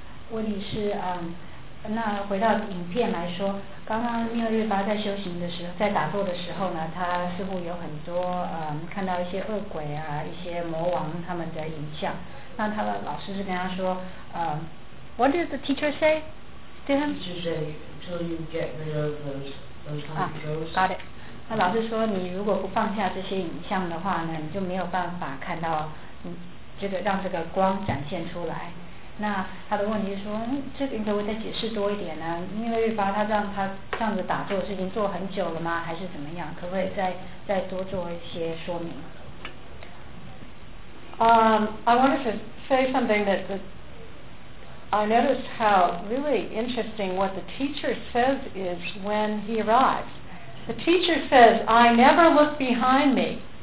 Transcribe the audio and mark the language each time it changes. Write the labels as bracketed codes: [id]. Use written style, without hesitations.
[zh] 问题是，那回到影片来说，刚刚妙月八在修行的时候，在打坐的时候呢，他似乎有很多看到一些恶鬼啊，一些魔王他们的影像。那他的老师是跟他说， [en] What did the teacher say to him? Teacher said, until you get rid of those kind of ghosts. Got it. [zh] 那老师说，你如果不放下这些影像的话呢，你就没有办法看到。这个让这个光展现出来。那他的问题是说，这个你可不可以再解释多一点呢？因为日发他让他这样子打坐是已经做很久了吗？还是怎么样？可不可以再多做一些说明？ [en] I wanted to say something that I noticed how really interesting what the teacher says is when he arrives. The teacher says, "I never look behind me."